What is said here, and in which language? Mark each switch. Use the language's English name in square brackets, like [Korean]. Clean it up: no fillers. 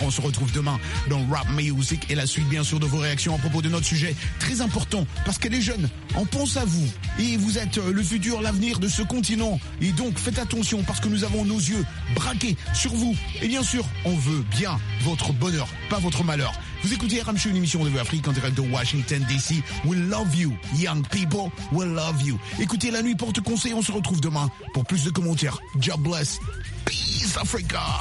[French] On se retrouve demain dans Rap Music et la suite, bien sûr, de vos réactions à propos de notre sujet très important, parce que les jeunes, on pense à vous et vous êtes le futur, l'avenir de ce continent. Et donc, faites attention parce que nous avons nos yeux braqués sur vous. Et bien sûr, on veut bien votre bonheur, pas votre malheur. Vous écoutez RM Show, une émission de l'Afrique en direct de Washington DC. [English] We love you, young people, we love you. [French] Écoutez La Nuit Porte Conseil, on se retrouve demain pour plus de commentaires. [English] God bless, peace Africa.